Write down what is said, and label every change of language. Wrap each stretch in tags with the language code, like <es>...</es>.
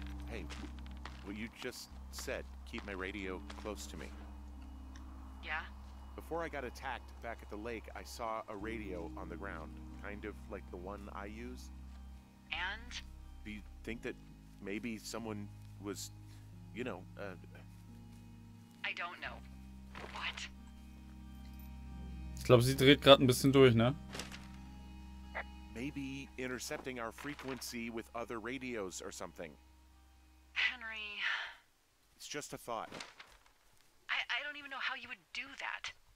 <en>Hey, what you just said, keep my radio close to me. Yeah, Before I got attacked back at the lake, I saw a radio on the ground, kind of like the one I use. And? Do you think that maybe someone was, you know, I don't know. What?</en> <de>Ich glaube, sie dreht gerade ein bisschen durch, ne?</de> <en>Maybe intercepting our frequency with other radios or something. Henry. It's just a thought. I don't even know how you would do that.</en>